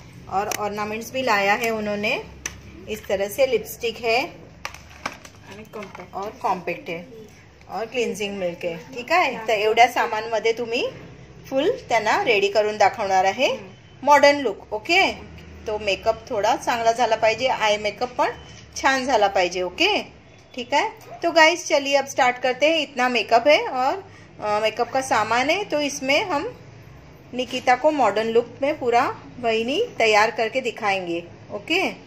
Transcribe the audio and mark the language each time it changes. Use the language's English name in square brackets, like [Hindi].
[Hindi] और ऑर्नामेंट्स भी लाया है उन्होंने, इस तरह से लिपस्टिक है और कॉम्पैक्ट है और क्लिन्सिंग मिलके, ठीक है। [Marathi] तो एवढ्या सामान मध्ये तुम्ही फुल त्यांना रेडी करून दाखवणार आहे मॉडर्न लुक। [Hindi] ओके, तो मेकअप थोड़ा [Marathi] चांगला झाला पाहिजे, आई मेकअप पण छान झाला पाहिजे। [Hindi] ओके ठीक है, तो गाइस चलिए अब स्टार्ट करते हैं। इतना मेकअप है और मेकअप का सामान है तो इसमें हम निकिता को मॉडर्न लुक में पूरा वहीनी तैयार करके दिखाएंगे। ओके,